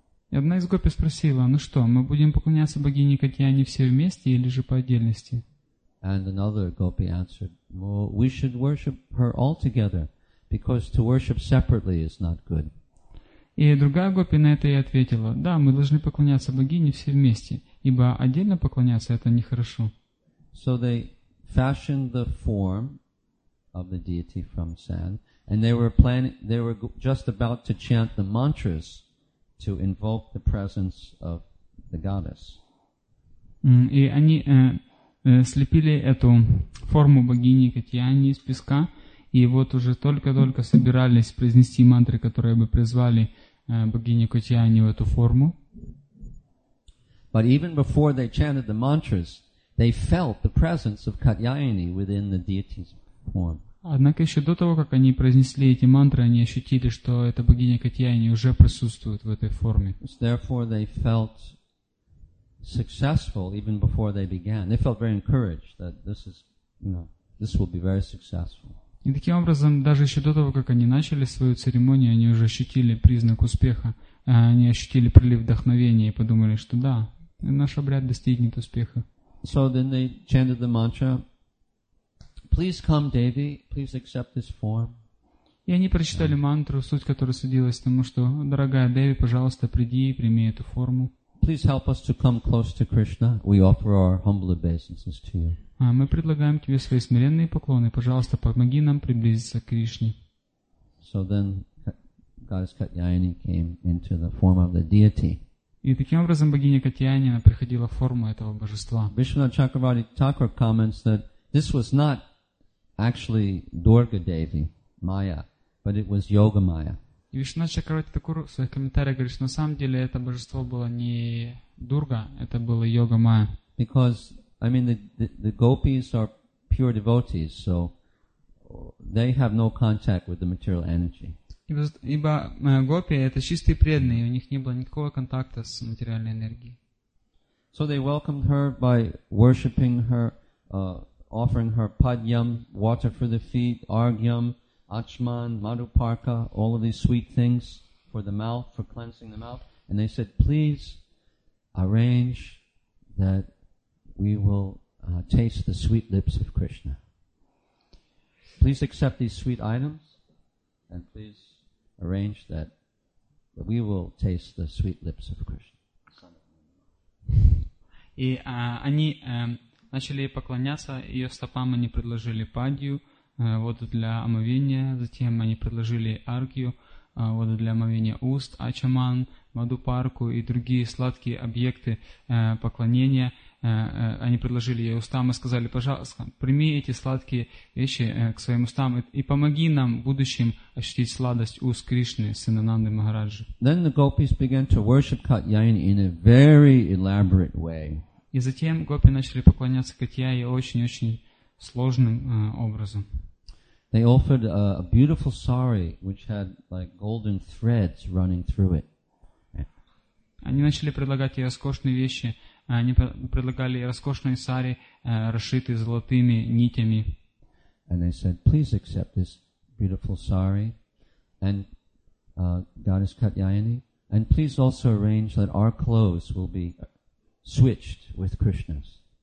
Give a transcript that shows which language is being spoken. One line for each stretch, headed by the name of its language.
Russian: И одна из гопи спросила, что, мы будем поклоняться богине Катьяйни все вместе или же по отдельности?
English: And another gopi answered, well, we should worship her all together. Because to worship separately is not good.
Russian: И другая гопи на это и ответила: да, мы должны поклоняться богине все вместе, ибо отдельно поклоняться это нехорошо.
English: So they fashioned the form of the deity from sand, and they were just about to chant the mantras to invoke the presence of the goddess.
Russian: И они слепили эту форму богини Катьяйни из песка. И вот уже только-только собирались произнести мантры, которые бы призвали богиню Катьяйни в эту форму.
English: But even before they chanted the mantras, they felt the presence of Katyayani within the deity's form.
Russian: Однако еще до того, как они произнесли эти мантры, они ощутили, что эта богиня Катьяйни уже присутствует в этой форме.
English: Therefore they felt successful even before they began. They felt very encouraged that this will be very successful.
Russian: И таким образом, даже еще до того, как они начали свою церемонию, они уже ощутили признак успеха, они ощутили прилив вдохновения и подумали, что да, наш обряд достигнет успеха.
English: So then they chanted the mantra, please come, Devi, please accept this form.
Russian: И они прочитали мантру, суть которой сводилась к тому, что, дорогая Деви, пожалуйста, приди и прими эту форму.
English: Please help us to come close to Krishna. We offer our humble obeisances to you.
Russian: Мы предлагаем тебе свои смиренные поклоны. Пожалуйста, помоги нам приблизиться к Кришне.
English: So then, goddess Katyayani came into the form of the deity.
Russian: И таким образом богиня Катьяйни приходила в форму этого божества.
English: Vishwanatha Chakravarti Thakur comments that this was not actually Durga Devi Maya, but it was Yoga Maya.
Russian: И Вишванатха Чакраварти Такур в своих комментариях говорит, что на самом деле это божество было не Дурга, это было Йога Майя.
English: Because, I mean, the gopis are pure devotees, so they have no contact with the material energy.
Russian: Ибо гопи это чистые преданные, у них не было никакого контакта с материальной энергией.
English: So they welcomed her by worshiping her, offering her padyam, water for the feet, argyam, achman, madhuparka, all of these sweet things for the mouth, for cleansing the mouth. And they said, please arrange that we will taste the sweet lips of Krishna. Please accept these sweet items and please arrange that we will taste the sweet lips of Krishna.
Russian: И они начали поклоняться ее стопам, они предложили падью, воду для омовения, затем они предложили аргию, воду для омовения уст, ачаман, мадупарку и другие сладкие объекты поклонения. Они предложили ей устам и сказали, пожалуйста, прими эти сладкие вещи к своим устам и помоги нам в будущем ощутить сладость уст Кришны, сына Нанды Махараджи.
English: Then the gopis began to worship Katyayani in a very elaborate way.
Russian: И затем гопи начали поклоняться Катьяе очень-очень сложным образом.
English: They offered a beautiful sari, which had like golden threads running through it.
Russian: Они начали предлагать ей роскошные вещи. Они предлагали роскошные сари, расшитые золотыми нитями.
English: And they said, please accept this beautiful sari and goddess Katyayani. And please also arrange that our clothes will be switched with Krishna's.